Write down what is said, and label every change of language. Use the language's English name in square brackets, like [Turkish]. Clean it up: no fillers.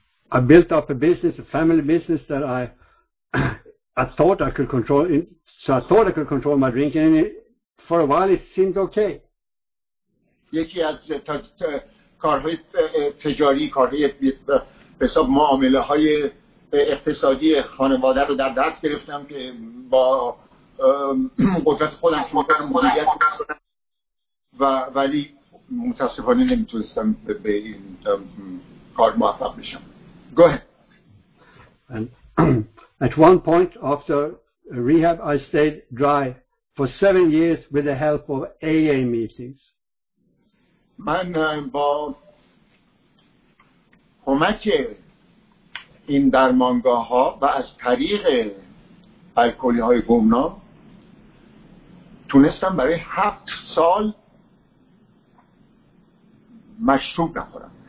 [English] I built up a business, a family business that I thought I could control my drinking, and for a while it seemed okay. [Persian] یکی از کارهای تجاری، کارهای به حساب معامله های اقتصادی خانواده رو در دست گرفتم که با قدرت خودم شروع کردم مدیریت و ولی متاسفانه نمیتونستم به این کار موفق بشم. [English] Go ahead. And at one point after rehab I stayed dry for 7 years with the help of AA meetings. [Persian] من با کمک این درمانگاه ها و از طریق الکلی های گمنام تونستم برای 7 سال مشروب نخورم.